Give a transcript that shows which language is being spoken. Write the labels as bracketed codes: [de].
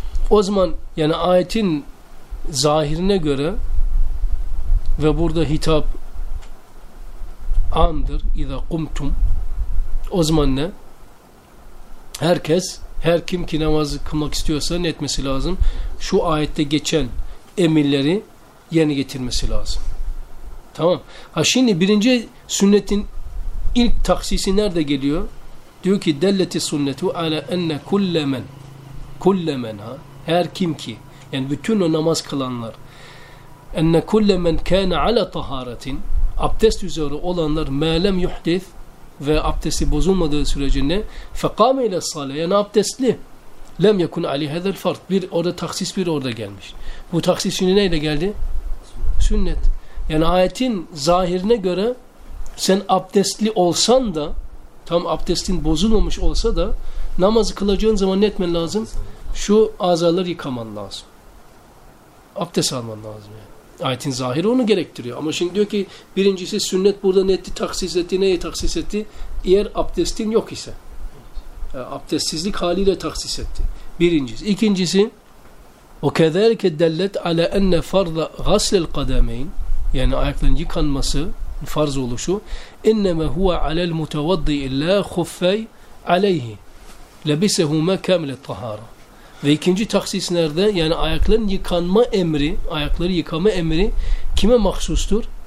[tr] O zaman yani ayetin zahirine göre ve burada hitap andır, [ar] اِذَا قُمْتُمْ. [tr] O zaman ne? Herkes, her kim ki namazı kılmak istiyorsa ne etmesi lazım? Şu ayette geçen emirleri yerine getirmesi lazım. Tamam. Ha şimdi birinci sünnetin ilk taksisi nerede geliyor? Diyor ki [ar] دَلَّتِ السُنَّةُ عَلَى اَنَّ كُلَّ مَنْ كُلَّ مَنْ ha. [tr] Her kim ki, yani bütün o namaz kılanlar, [ar] enne kulle men kâne ala taharetin, [tr] abdest üzere olanlar, [ar] mâlem yuhdif [tr] ve abdesti bozulmadığı sürece ne? [ar] Fekâme ile sâle, [tr] yani abdestli. [ar] Lem yekun ali hezel fard. [tr] Bir orada taksis, bir orada gelmiş. Bu taksis şimdi neyle geldi? Sünnet. Yani ayetin zahirine göre sen abdestli olsan da, tam abdestin bozulmamış olsa da, namazı kılacağın zaman ne etmen lazım? Şu azaları yıkaman lazım. Abdest alman lazım yani. Ayetin zahiri onu gerektiriyor. Ama şimdi diyor ki birincisi sünnet burada ne etti? Taksis etti. Neyi taksis etti? Eğer abdestin yok ise. Abdestsizlik haliyle taksis etti. Birincisi. İkincisi, [ar] وَكَذَٰلِكَ دَلَّتْ عَلَى اَنَّ فَرْضَ غَسْلِ الْقَدَمَيْنِ [tr] Yani ayakların yıkanması, farz oluşu. [ar] اِنَّمَا هُوَ عَلَى الْمُتَوَضِّئِ لَا خُفَّيْ عَلَيْهِ لَبِسَهُمَا كَامِلَ الطَّهَارَ [tr] Ve ikinci taksis nerede? Yani ayakların yıkanma emri, ayakları yıkama emri kime mahsustur?